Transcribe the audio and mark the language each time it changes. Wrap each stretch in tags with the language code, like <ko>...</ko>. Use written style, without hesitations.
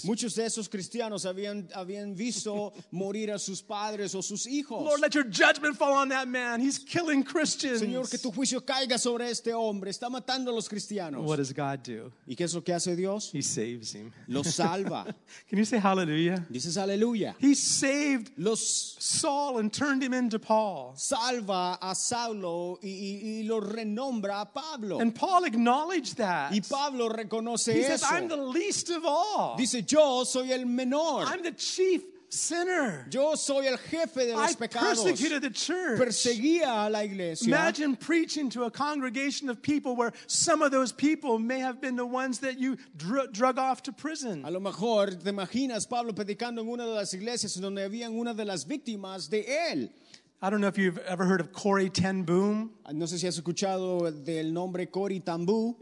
<es>Muchos de esos cristianos habían visto morir a sus padres o sus hijos.</es> <en>Lord, let your judgment fall on that man. He's killing Christians.</en> <es>Señor, que tu juicio caiga sobre este hombre. Está matando a los cristianos.</es> <en>What does God do?</en> <es>¿Y qué es lo que hace Dios?</es> <en>He saves him.</en> <es>Lo salva.</es> <en>Can you say hallelujah?</en> <es>Dices hallelujah.</es> <en>He saved Saul and turned him into Paul.</en> <es>Salva a Saulo y lo renombra a Pablo.</es> <en>And Paul acknowledged that.</en> <es>Y Pablo reconoce</es> <en>he</en> <es>eso.</es> <en>He says, I'm the least of all.</en> <es>Dice, yo soy el menor.</es> <en>I'm the chief sinner.</en> <es>Yo soy el jefe de los</es> <en>I</en> <es>pecados.</es> <en>Persecuted the church.</en> <es>Perseguía a la iglesia.</es> <en>Imagine preaching to a congregation of people where some of those people may have been the ones that you drug off to prison.</en> <es>A lo mejor te imaginas Pablo predicando en una de las iglesias donde habían una de las víctimas de él.</es> <en>I don't know if you've ever heard of Corrie Ten Boom.</en> <es>No sé si has escuchado del nombre Corrie Ten Boom.</es>